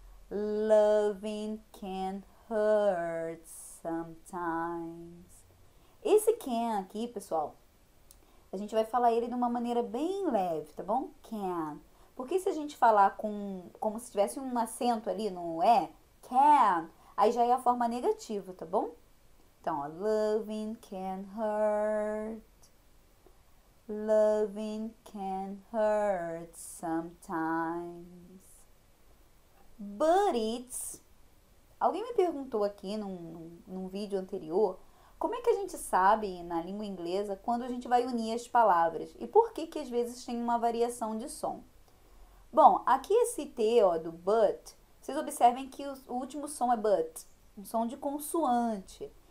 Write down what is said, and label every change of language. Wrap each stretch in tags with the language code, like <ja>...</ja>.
<en>Loving can hurt sometimes.</en> <pt>Esse can aqui, pessoal, a gente vai falar ele de uma maneira bem leve, tá bom? Can. Porque se a gente falar como se tivesse um acento ali no E, can, aí já é a forma negativa, tá bom? Então, ó,</pt> <en>loving can hurt. Loving can hurt sometimes. But it's.</en> <pt>Alguém me perguntou aqui num vídeo anterior, como é que a gente sabe na língua inglesa quando a gente vai unir as palavras? E por que que às vezes tem uma variação de som? Bom, aqui esse T, ó, do but, vocês observem que o último som é but, um som de consoante.</pt>